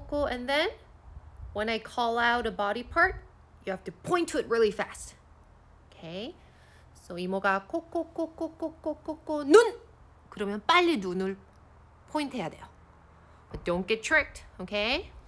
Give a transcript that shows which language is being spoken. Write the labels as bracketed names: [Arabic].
[English] And then when I call out a body part, you have to point to it really fast. Okay? So [Korean] 이모가 코코코코코코코코 눈! 그러면 빨리 눈을 포인트 해야 돼요. [English] But don't get tricked, okay?